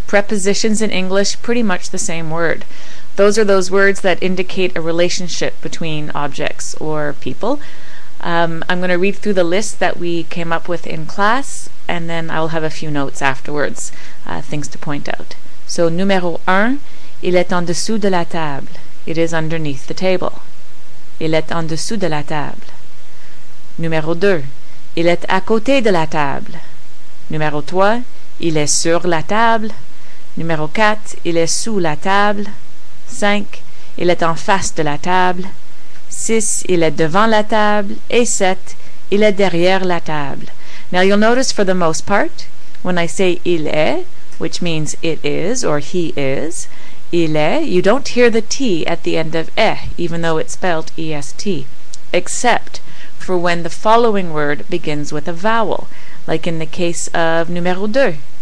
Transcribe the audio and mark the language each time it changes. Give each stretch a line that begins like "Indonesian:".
English: Prepositions in English, pretty much the same word. Those are those words that indicate a relationship between objects or people. I'm going to read through the list that we came up with in class, and then I'll have a few notes afterwards, things to point out.
French: So, numéro 1, il est en dessous de la table.
English: It is underneath the table.
French: Il est en dessous de la table. Numéro 2, il est à côté de la table. Numéro 3, il est sur la table. Numéro 4, il est sous la table. 5, il est en face de la table. 6, il est devant la table. Et 7, il est derrière la table.
English: Now you'll notice for the most part, when I say
French: il est,
English: which means it is or he is,
French: il est,
English: you don't hear the T at the end of est, even though it's spelled E-S-T, except for when the following word begins with a vowel, like in the case of numéro 2.